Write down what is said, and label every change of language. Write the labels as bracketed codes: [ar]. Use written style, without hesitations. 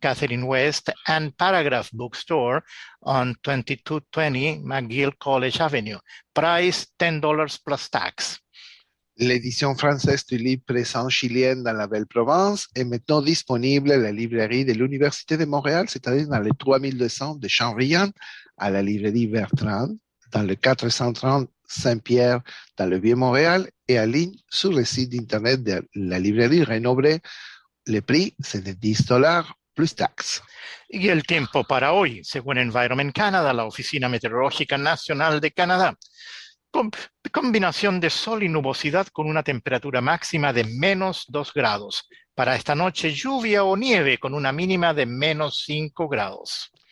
[en] Catherine West, and Paragraph Bookstore on 2220 McGill College Avenue. Price $10 plus tax. [fr] L'édition française du livre Présence chilienne dans la Belle Provence est maintenant disponible à la librairie de l'Université de Montréal, c'est-à-dire dans le 3200 de Champrion, à la librairie Bertrand, dans le 430 Saint-Pierre, dans le Vieux-Montréal, et en ligne sur le site d'Internet de la librairie Renobré. Le prix, c'est de $10 plus taxes. [es] Y el tiempo para hoy, según Environment Canada, la Oficina Meteorológica Nacional de Canadá. Combinación de sol y nubosidad con una temperatura máxima de menos 2 grados. Para esta noche, lluvia o nieve con una mínima de menos 5 grados.